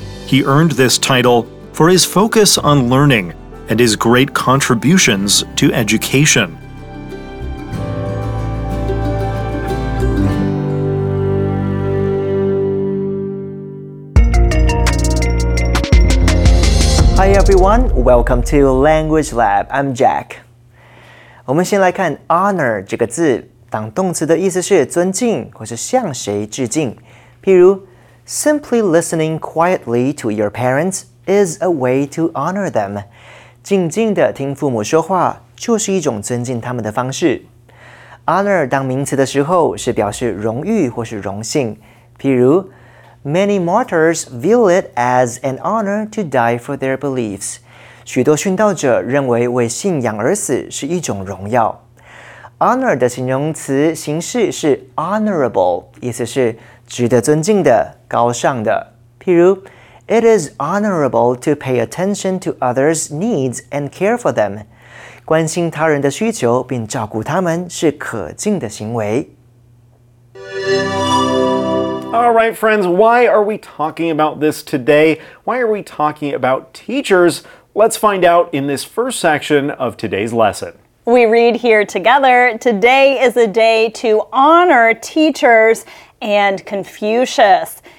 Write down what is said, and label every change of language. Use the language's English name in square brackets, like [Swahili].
[English] He earned this title for his focus on learning and his great contributions to education. Hi everyone, welcome to Language Lab, I'm Jack. [Chinese] 我们先来看 honor 这个字，当动词的意思是尊敬或是向谁致敬。譬如 [English] simply listening quietly to your parents is a way to honor them. [Chinese] 静静地听父母说话就是一种尊敬他们的方式。 Honor 当名词的时候是表示荣誉或是荣幸。譬如 [English] Many martyrs view it as an honor to die for their beliefs. [Chinese] 许多殉道者认为为信仰而死是一种荣耀。 Honor 的形容词形式是 honorable, 意思是值得尊敬的、高尚的。譬如 [English] It is honorable to pay attention to others' needs and care for them. [Chinese] 关心他人的需求并照顾他们是可敬的行为。 [English] All right, friends, why are we talking about this today? Why are we talking about teachers? Let's find out in this first section of today's lesson. We read here together, today is a day to honor teachers and Confucius.